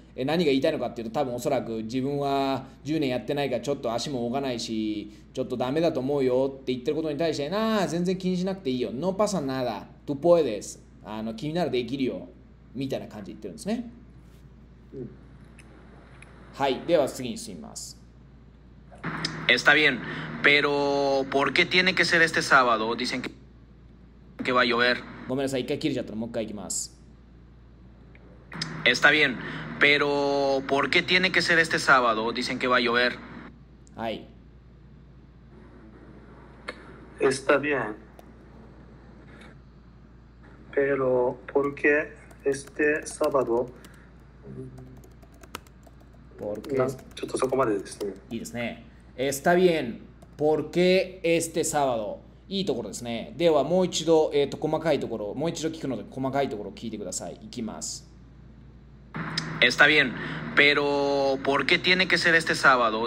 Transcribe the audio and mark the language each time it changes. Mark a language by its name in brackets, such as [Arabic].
[Japanese] 何が言いたいのかというと、多分おそらく自分は10年やってないから、ちょっと足も動かないし、ちょっとダメだと思うよって言ってることに対して、ああ、全然気にしなくていいよ、 [Spanish] No pasa nada, tú puedes、 [Japanese] 気になるできるよみたいな感じで言ってるんですね。はい、では次に進みます。 [Spanish] Está bien, pero ¿por qué tiene que ser este sábado? Dicen que va a llover. [Japanese] ごめんなさい、一回切れちゃったの、もう一回いきます。 [Spanish] Está bien, pero ¿por qué tiene que ser este sábado? Dicen que va a llover. [Japanese] はい。 [Spanish] Está bien, pero ¿por qué este sábado? Porque [Japanese] ちょっとそこまでですね。いいですね。 [Spanish] Está bien. Porque este sábado. [Japanese] いいところですね。では、もう一度、細かいところ、もう一度聞くので、細かいところを聞いてください。いきます。 [Spanish] Está bien, pero ¿por qué tiene que ser este sábado?